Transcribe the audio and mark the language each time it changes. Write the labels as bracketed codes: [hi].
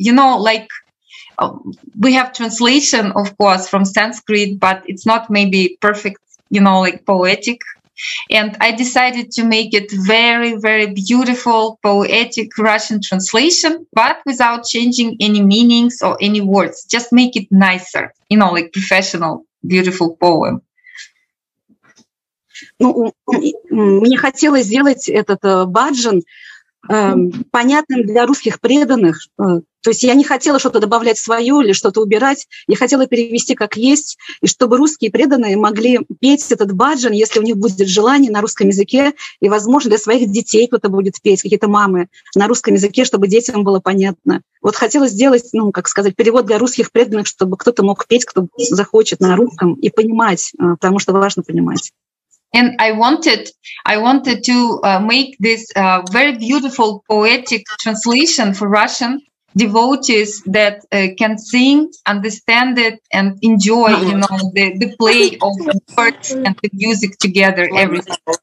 [en] You know, like, we have translation, of course, from Sanskrit, but it's not maybe perfect, you know, like poetic. And I decided to make it very, very beautiful, poetic Russian translation, but without changing any meanings or any words. Just make it nicer, you know, like professional, beautiful poem. [ru] Ну, мне хотелось сделать этот баджан понятным для русских преданных. То есть я не хотела что-то добавлять свое или что-то убирать. Я хотела перевести как есть, и чтобы русские преданные могли петь этот баджан, если у них будет желание, на русском языке, и, возможно, для своих детей кто-то будет петь, какие-то мамы, на русском языке, чтобы детям было понятно. Вот хотела сделать, ну, как сказать, перевод для русских преданных, чтобы кто-то мог петь, кто захочет на русском, и понимать, потому что важно понимать. [en] And I wanted to make this very beautiful poetic translation for Russian devotees that can sing, understand it, and enjoy, you know, the play of the words and the music together, everything.